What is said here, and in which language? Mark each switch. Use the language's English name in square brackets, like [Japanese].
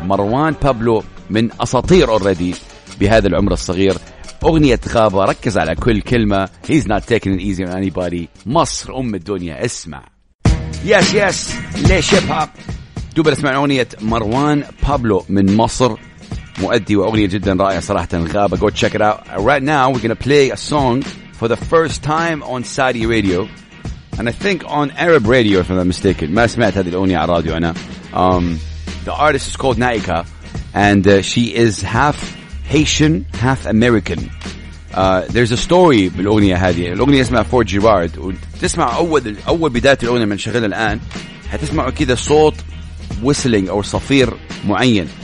[Arabic] مروان بابلو من اساطير already بهذا العمر الصغير. اغنية غابة، ركز على كل كلمة. [English] He's not taking it easy on anybody. [Arabic] مصر ام الدنيا، اسمع. [English] Yes yes, [Arabic] Laish Hip Hop. دوب نسمع أغنية مروان بابلو من مصر مؤدي وأغنية جدا رائعة صراحة غابة. [English] Go check it out. Right now we're gonna play a song for the first time on Saudi radio and I think on Arab radio if I'm not mistaken. [Arabic] ما سمعت هذه الأغنية على راديو أنا. [English] The artist is called Naika and she is half Haitian, half American. There's a story [Arabic] بالأغنية هذه. الأغنية اسمها Four Gerard. تسمع أول بداية الأغنية من شغلها الآن هتسمعوا كده صوت whistling أو صفير معين.